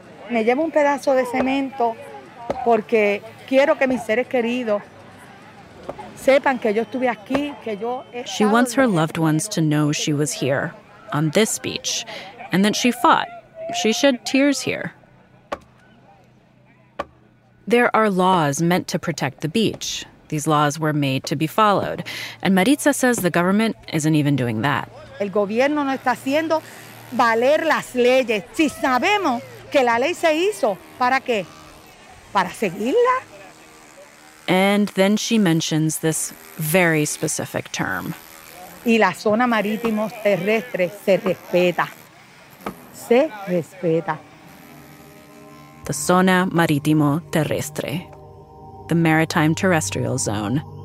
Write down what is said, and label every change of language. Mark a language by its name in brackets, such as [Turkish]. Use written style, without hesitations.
[Spanish] Me llevo un pedazo de cemento porque quiero que mis seres queridos sepan que yo estuve aquí, que yo estaba. [English] She wants her loved ones to know she was here, on this beach, and that she fought. She shed tears here. There are laws meant to protect the beach. These laws were made to be followed. And Maritza says the government isn't even doing that. [Spanish] El gobierno no está haciendo valer las leyes. Si sabemos que la ley se hizo, ¿para qué? ¿Para seguirla? [English] And then she mentions this very specific term. [Spanish] Y la zona marítimo terrestre se respeta. Se respeta. [English] The zona marítimo terrestre. The maritime terrestrial zone.